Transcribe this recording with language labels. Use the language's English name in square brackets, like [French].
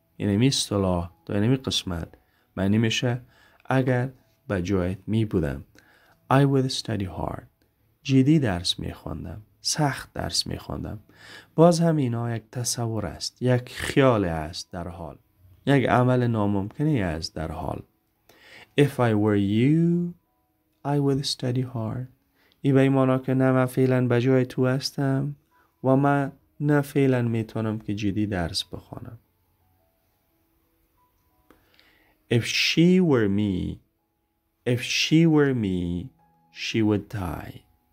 [Persian] یعنی می اصطلاح تو یعنی می قسمت. معنی میشه اگر به جایت می بودم. [English] I would study hard. [Persian] جدی درس می خوندم. سخت درس می خوندم. باز هم اینا یک تصور است. یک خیال است در حال. یک عمل ناممکنی است در حال. [English] If I were you, I would study hard. [Persian] ای به ایمانا که نه من فعلا به جای تو هستم و من نه فعلا می تونم که جدی درس بخونم. [English] If she were me, if she were me, she would die.